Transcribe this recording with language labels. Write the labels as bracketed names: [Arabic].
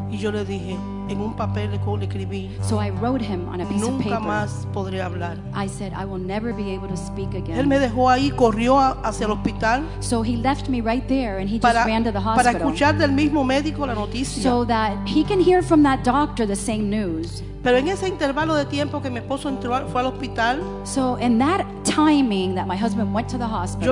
[Spanish] Y yo le dije, en un papel le escribí. [English] So I wrote him on a piece [Spanish] nunca [English] of paper. [Spanish] Nunca más podré hablar. [English] I said, I will never be able to speak again. [Spanish] Él me dejó ahí, corrió hacia el hospital. [English] So he left me right there and he [Spanish] para, [English] just ran to the hospital. [Spanish] Para escuchar del mismo médico la noticia. [English] So that he can hear from that doctor the same news. [Spanish] Pero en ese intervalo de tiempo que mi esposo entró, fue al hospital. [English] So in that timing that my husband went to the hospital.